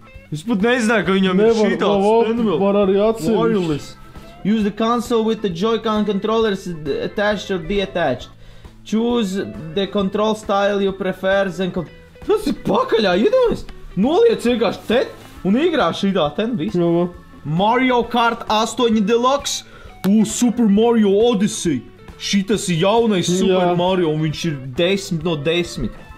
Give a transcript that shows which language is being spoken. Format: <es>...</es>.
<lv>Es pat nezināju, ka viņam ir šī tāds pinwheel. Var arī atsevišķi.</lv> <en>Use the console with the Joy-Con controllers attached or detached. Choose the control style you prefer.</en> <lv>Tas ir pakaļā, iedomājies! Noliec vienkārši te un igrā šitā ten viss. Jā, jā.</lv> <en>Mario Kart 8 Deluxe. Super Mario Odyssey.</en> <lv>Šitas ir jaunais jā. Super Mario un viņš ir 10 no 10.</lv>